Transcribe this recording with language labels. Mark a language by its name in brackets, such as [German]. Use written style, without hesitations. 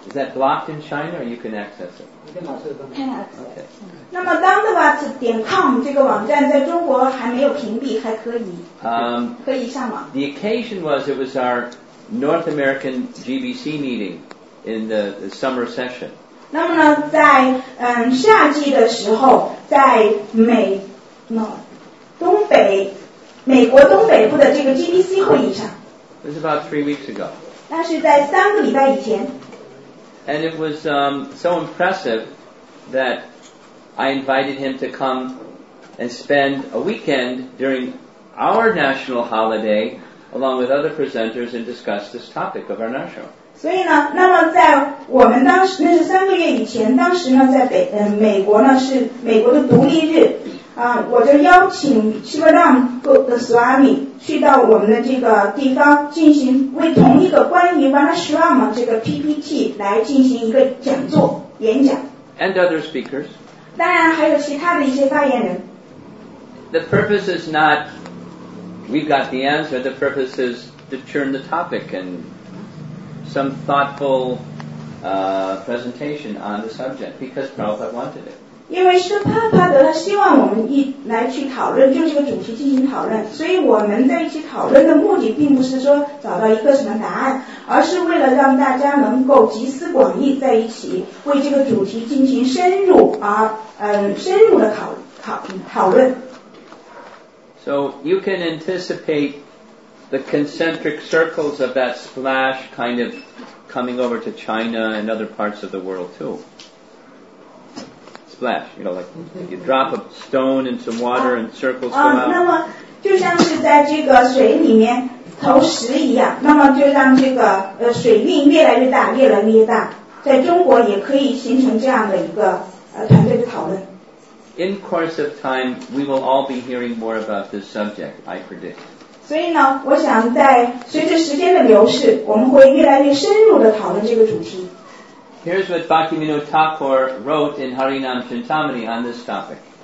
[English] Is that blocked in China or you can access it? Can access. Okay. [Chinese] 那么 Dandavat.com 这个网站在中国还没有屏蔽，还可以可以上网。 [English] The occasion was it was our North American GBC meeting in the summer session. [Chinese] 那么呢，在夏季的时候，在美东北美国东北部的这个 GBC 会议上。 [English] It was about 3 weeks ago. [Chinese] 那是在三个礼拜以前。 [English] And it was so impressive that I invited him to come and spend a weekend during our national holiday along with other presenters and discuss this topic of our national. [Chinese] 所以呢，那么在我们当时，那是三个月以前，当时呢在美国呢是美国的独立日，我就邀请希伯当和斯瓦米去到我们的这个地方进行为同一个关于 Vanashram 这个 PPT 来进行一个讲座演讲。 [English] And other speakers. [Chinese] 当然还有其他的一些发言人。 [English] The purpose is not we've got the answer. The purpose is to turn the topic and some thoughtful presentation on the subject because Prabhupada wanted it. [Chinese] 因为是帕帕德他希望我们一来去讨论就这个主题进行讨论，所以我们在一起讨论的目的并不是说找到一个什么答案，而是为了让大家能够集思广益在一起为这个主题进行深入而深入的讨论。 [English] So you can anticipate the concentric circles of that splash kind of coming over to China and other parts of the world too. Splash, you know, like you drop a stone in some water and circles come out. [Chinese] 那么就像是在这个水里面投石一样，那么就让这个水运越来越大，越来越大，在中国也可以形成这样的一个团队的讨论。 [English] In course of time, we will all be hearing more about this subject, I predict. [Chinese] 所以呢，我想在随着时间的流逝，我们会越来越深入地讨论这个主题。 [English] Here's what Bhaktivinoda Thakur wrote in Harinam Chintamani on this topic.